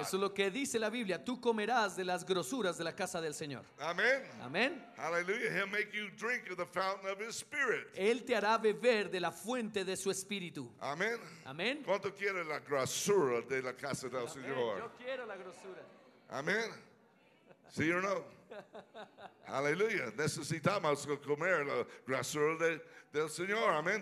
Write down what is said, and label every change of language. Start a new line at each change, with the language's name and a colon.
Spanish: Eso es lo que dice la Biblia. Tú comerás de las grosuras de la casa del Señor. Amen. Amen. Hallelujah.
English: He'll make you drink of the fountain of His Spirit.
Spanish: Él te hará beber de la fuente de su Espíritu. Amen. Amen. ¿Cuánto quiere la grosura de la casa del Amen. Señor? Yo quiero la grosura.
English: Amen. See or no? Hallelujah.
Spanish: Necesitamos comer la grosura del Señor. Amen.